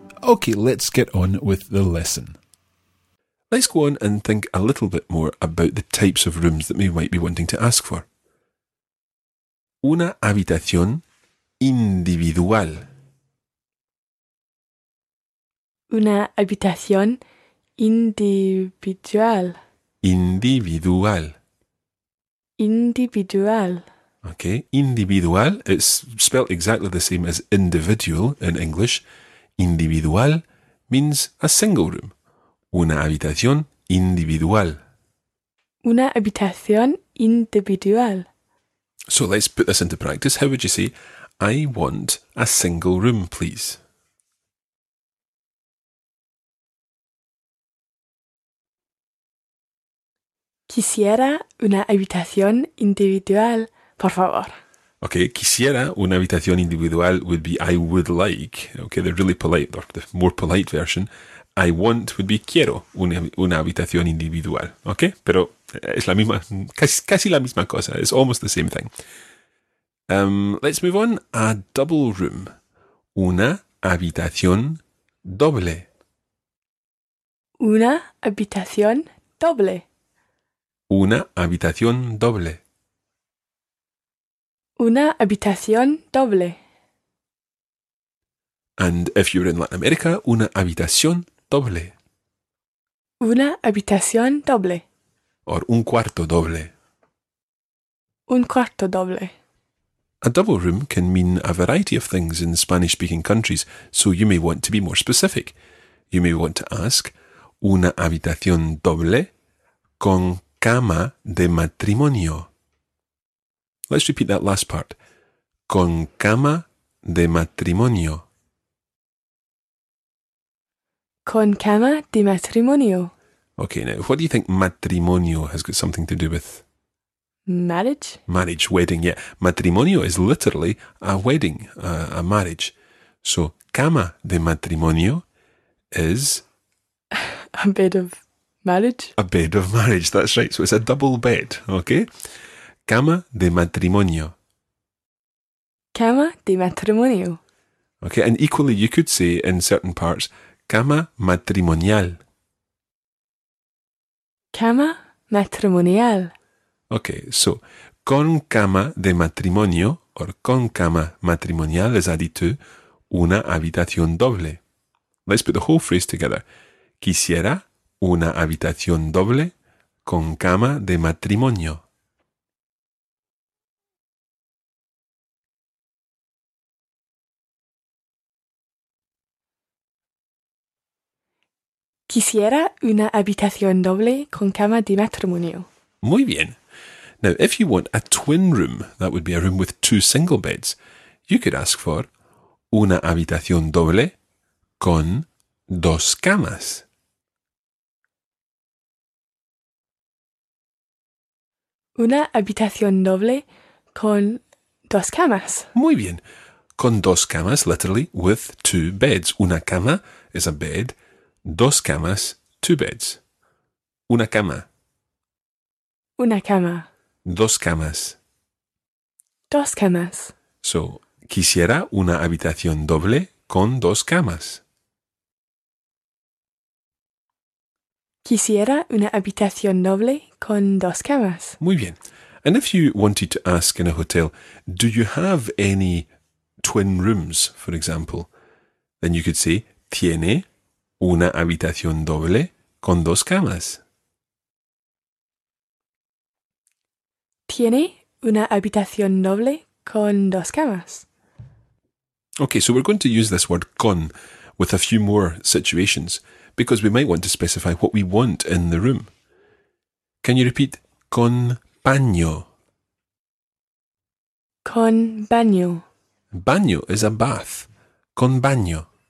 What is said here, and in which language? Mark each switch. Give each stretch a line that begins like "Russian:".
English: Okay, let's get on with the lesson. Let's go on and think a little bit more about the types of rooms that we might be wanting to ask for.
Spanish: Una habitación individual. Una habitación individual. Individual. Individual.
English: Okay, individual, it's spelled exactly the same as individual in English. Individual means a single room.
Spanish: Una habitación individual. Una habitación individual.
English: So let's put this into practice. How would you say, I want a single room, please?
Spanish: Quisiera una habitación individual, por favor.
English: Okay,
Spanish: quisiera una habitación individual
English: would be I would like. Okay, they're really polite, or the more polite version. I want would be
Spanish: quiero una habitación individual. Okay, pero es la misma, casi la misma cosa.
English: It's almost the same thing. Let's move on. A double room.
Spanish: Una habitación doble. Una habitación doble. Una habitación doble. Una habitación doble.
English: And if you're in Latin America,
Spanish: una habitación doble. Una habitación doble. Or un cuarto doble. Un cuarto doble.
English: A double room can mean a variety of things in Spanish-speaking countries, so you may want to be more specific. You may want to ask,
Spanish: una habitación doble con cama de matrimonio.
English: Let's repeat that last part.
Spanish: Con cama de matrimonio. Con cama de matrimonio.
English: Okay, now, what do you think matrimonio has got something to do with? Marriage? Marriage, wedding, yeah. Matrimonio is literally a wedding, a marriage. So,
Spanish: cama de matrimonio
English: is... a bed of marriage. A bed of marriage, that's right. So, it's a double bed, okay?
Spanish: Cama de matrimonio. Cama de matrimonio.
English: Okay, and equally you could say in certain parts,
Spanish: cama matrimonial. Cama matrimonial.
English: Okay, so
Spanish: con cama de matrimonio or con cama matrimonial
English: is added to
Spanish: una habitación doble.
English: Let's put the whole phrase together.
Spanish: Quisiera una habitación doble con cama de matrimonio. Quisiera una habitación doble con cama de matrimonio. Muy bien.
English: Now, if you want a twin room, that would be a room with two single beds, you could ask for
Spanish: una habitación doble con dos camas. Una habitación doble con dos camas. Muy bien. Con dos camas,
English: literally, with two beds.
Spanish: Una cama
English: is a bed.
Spanish: Dos camas,
English: two beds.
Spanish: Una cama. Una cama. Dos camas. Dos camas. So, quisiera una habitación doble con dos camas. Quisiera una habitación doble con dos camas. Muy bien.
English: And if you wanted to ask in a hotel, do you have any twin rooms, for example? Then you could say,
Spanish: tiene... una habitación doble con dos camas. Tiene una habitación doble con dos camas.
English: Okay, so we're going to use this word con with a few more situations because we might want to specify what we want in the room. Can you repeat
Spanish: con baño? Con baño.
English: Baño is a bath.
Spanish: Con baño.